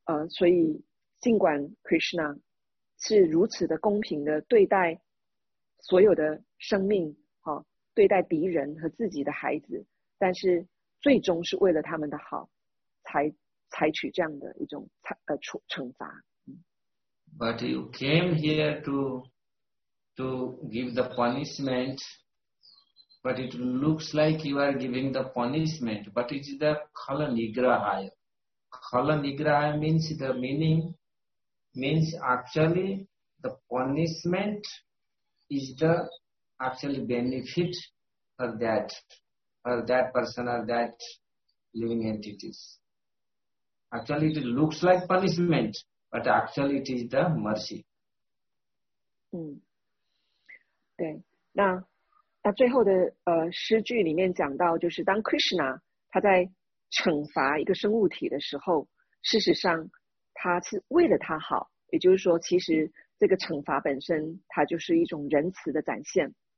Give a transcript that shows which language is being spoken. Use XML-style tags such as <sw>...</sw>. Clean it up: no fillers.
<zh>所以尽管 Krishna 是如此的公平的对待所有的生命对待敌人和自己的孩子，但是最终是为了他们的好才采取这样的一种惩罚。</zh> <en>But you came here to give the punishment, but it looks like you are giving the punishment, but it is the khala nigrahaya. Khala nigrahaya means the meaning, means actually the punishment is the actually benefit for that person or that living entities. Actually it looks like punishment, but actually it is the mercy.</en> <zh>对，那最后的诗句里面讲到，就是当 Krishna 他在惩罚一个生物体的时候，事实上他是为了他好，也就是说其实这个惩罚本身它就是一种仁慈的展现。</zh>